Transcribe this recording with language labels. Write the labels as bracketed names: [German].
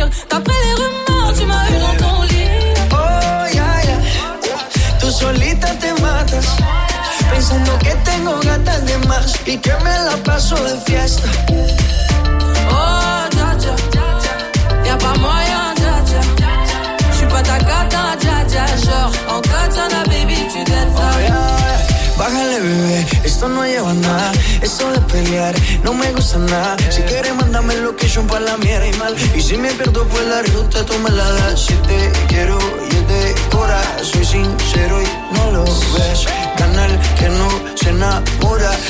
[French] D'après les rumeurs, tu m'as eu dans ton lit. [English] Oh, yeah, yeah. [Spanish] Tú solita te matas. Pensando que tengo gatas de más. Y que me la paso de fiesta. [French] Oh, ya, ya. Y'a pas moyen, ya, ya. J'suis pas ta gata, ya, ya. Genre, en katana, baby, tu t'es [Spanish] ta. [English] Oh, yeah, yeah. [Spanish] Bájale, bebé. Esto no lleva nada. Eso de pelear no me gusta nada. Si quieres, mándame location pa' la mierda y mal. Y si me pierdo, pues la ruta toma la da. Si te quiero y es de hora, soy sincero y no lo ves. Gana el que no se enamora.